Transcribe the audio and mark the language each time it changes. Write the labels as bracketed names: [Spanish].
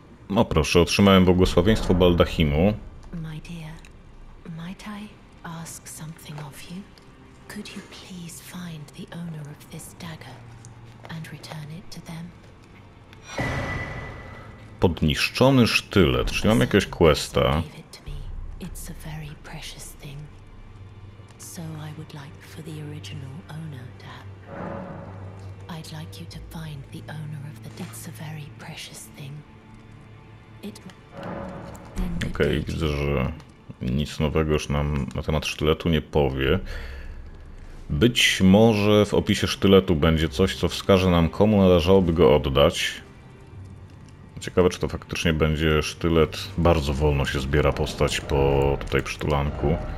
[Polish] No proszę, otrzymałem błogosławieństwo Baldachimu. [English] My dear, might I ask something of you? Could you please find the owner of this dagger? And return it to them. [Polish] Podniszczony sztylet. Czy mam jakieś questa? [English] It's a very precious thing. So I would like for the original owner to have. I'd like you to find the owner of the it's a very precious thing. [Polish] It okay, widzę, że nic nowego już nam na temat sztyletu nie powie. Być może w opisie sztyletu będzie coś, co wskaże nam, komu należałoby go oddać. Ciekawe, czy to faktycznie będzie sztylet. Bardzo wolno się zbiera postać po tutaj przytulanku.